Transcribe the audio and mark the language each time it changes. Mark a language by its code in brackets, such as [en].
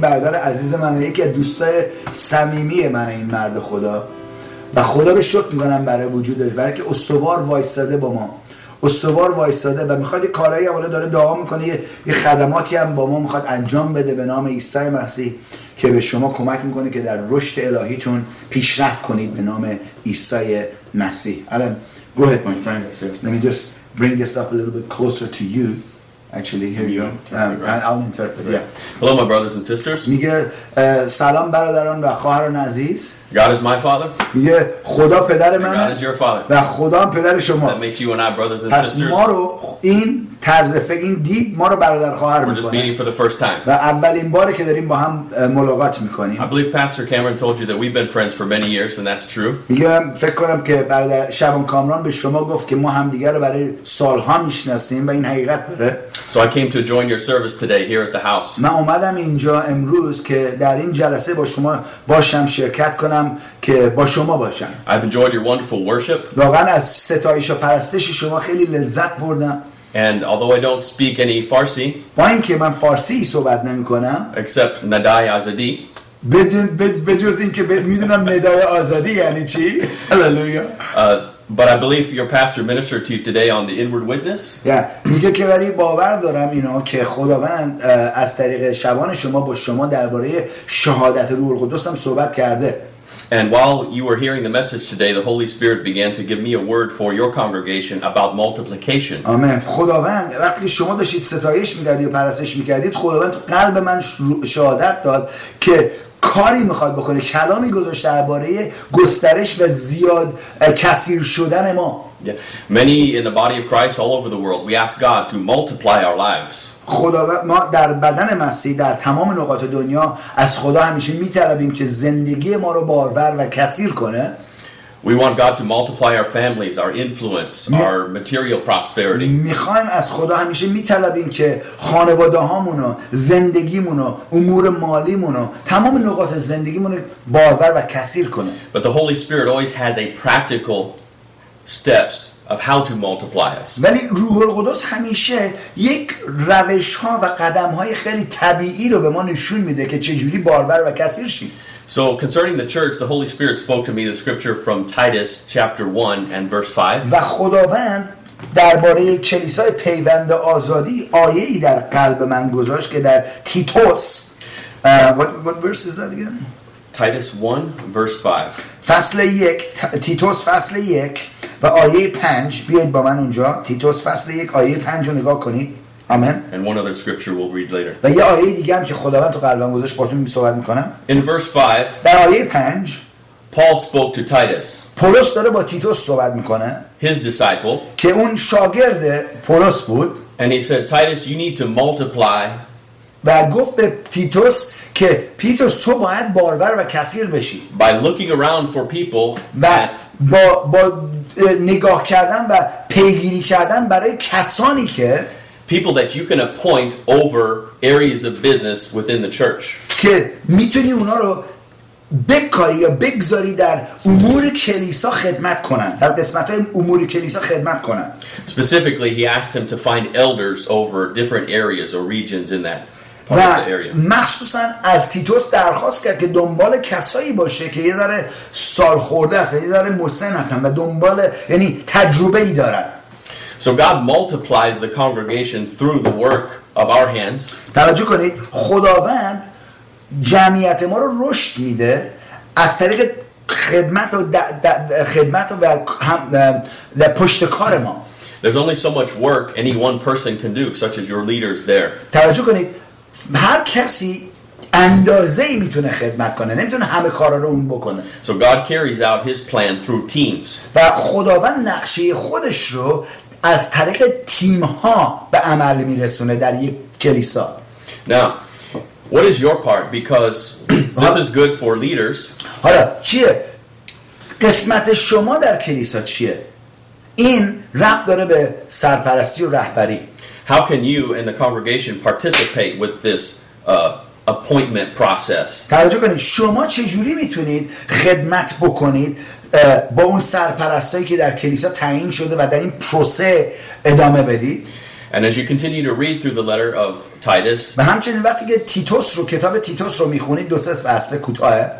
[fa] برادر عزیز من، یکی از دوستای صمیمی من، این مرد خدا، و خدا رو شکر میکنم برای وجودش، برای که استوار وایساده با ما، استوار وایساده و میخواد یه کارهایی هم داره دعا میکنه، یه خدماتی هم با ما میخواد انجام بده به نام عیسی مسیح که به شما کمک میکنه که در رشد الهیتون پیشرفت کنید به نام عیسی مسیح. الان [en] go ahead my friend, let me just bring this up a little bit closer to you. Actually, here you go. I'll interpret. Right. Yeah. Hello, my brothers and sisters. [fa] میگه سلام برادران و خواهران عزیز. [en] God is my father. [fa] میگه خدا پدر من. [en] God is your father. [fa] و خدا هم پدر شماست. [en] That makes you and I brothers and [fa] پس [en] sisters. [fa] پس ما رو این طرز فکر، این دید ما رو برادر خواهر میکنه. [en] We're just meeting for the first time. [fa] و اولین باره که داریم با هم ملاقات میکنیم. [en] I believe Pastor Cameron told you that we've been friends for many years, and that's true. [fa] میگه فکر کنم که برادر شبان کامران به شما گفت که ما همدیگر رو برای سالها میشناسیم و این حقیقت داره. [en] So I came to join your service today here at the house. [fa] من اومدم اینجا امروز که در این جلسه با شما باشم، شرکت کنم، که با شما باشم. [en] I've enjoyed your wonderful worship. [fa] واقعا از ستایش و پرستش شما خیلی لذت بردم. [en] And although I don't speak any Farsi, [fa] با این که من فارسی صحبت نمی کنم. [en] Except Nadai Azadi. [fa] بجز این که میدونم ندای آزادی یعنی چی. [en] Hallelujah. But I believe your pastor ministered to you today on the inward witness. [fa] Yeah, میگه که ولی باور دارم اینو که خداوند از طریق شبان شما با شما درباره شهادت روح القدس هم صحبت کرده. [en] And while you were hearing the message today, the Holy Spirit began to give me a word for your congregation about multiplication. [fa] آمین. خداوند وقتی که شما داشتید ستایش می‌کردید و پرستش می‌کردید، خداوند تو قلب من شهادت داد که کاری میخواد بکنه، کلامی گذاشته درباره گسترش و زیاد کثیر شدن ما. [en] Yeah. Many in the body of Christ all over the world, we ask God to multiply our lives. [fa] خدا ما در بدن مسیح در تمام نقاط دنیا از خدا همیشه میطلبیم که زندگی ما رو بارور و کثیر کنه. [en] We want God to multiply our families, our influence, our material prosperity. [fa] میخوایم از خدا همیشه میطلبیم که خانواده‌هامونو، زندگیمونو، امور مالیمونو، تمام نقاط زندگیمونو بارور و کثیر کنه. [en] But the Holy Spirit always has a practical steps of how to multiply us. [fa] ولی روح القدس همیشه یک روش‌ها و قدم‌های خیلی طبیعی رو به ما نشون میده که چجوری بارور و کثیر شیم. [en] So concerning the church, the Holy Spirit spoke to me the scripture from Titus chapter 1 and verse 5. [fa] و خداوند درباره کلیسای پیوند آزادی آیه‌ای در قلب من گذاشت که در تیتوس [en] what verse is that again? Titus 1 verse 5. [fa] فصل 1 تیتوس فصل 1 و آیه 5 بیایید با من اونجا تیتوس فصل 1 آیه 5 رو نگاه کنید. [en] Amen. And one other scripture we'll read later. [fa] و یه آیه دیگه هم که خداوند تو قلبم گذاشت باهاتون صحبت می‌کنم. [en] In verse 5. [fa] در آیه 5 [en] Paul spoke to Titus. [fa] پولس داره با تیتوس صحبت می‌کنه. [en] His disciple. [fa] که اون شاگرد پولس بود. [en] And he said, Titus, you need to multiply. [fa] و گفت به تیتوس که تیتوس تو باید بارور و کثیر بشی. [en] By looking around for people. [fa] و با نگاه کردن و پیگیری کردن برای کسانی که [en] people that you can appoint over areas of business within the church. [fa] که میتونی اونا رو بکاری یا بگذاری در امور کلیسا خدمت کنن در قسمت امور کلیسا خدمت کنن [en] Specifically he asked him to find elders over different areas or regions in that [fa] و مخصوصا از تیتوس درخواست کرد که دنبال کسایی باشه که یه ذره سالخورده هستن یه ذره مسن هستن و دنبال یعنی تجربه ای دارن [en] So God multiplies the congregation through the work of our hands. [fa] توجه کنید خداوند جمعیت ما رو رشد میده از طریق خدمت و خدمت و هم پشت کار ما. [en] There's only so much work any one person can do, such as your leaders there. [fa] توجه کنید هر کسی اندازه‌ای میتونه خدمت کنه نمیتونه همه کارا رو اون بکنه [en] So God carries out his plan through teams [fa] و خداوند نقشه خودش رو از طریق تیم‌ها به عمل میرسونه در یک کلیسا [en] Now what is your part because this is good for leaders [fa] حالا چیه قسمت شما در کلیسا چیه این رب داره به سرپرستی و رهبری [en] How can you and the congregation participate with this appointment process? [fa] توجه کنید شما چجوری میتونید خدمت بکنید با اون سرپرستایی که در کلیسا تعیین شده و در این پروسه ادامه بدید؟ [en] And as you continue to read through the letter of Titus, [fa] و همچنین وقتی که تیتوس رو کتاب تیتوس رو میخونید دو سه فصل کوتاه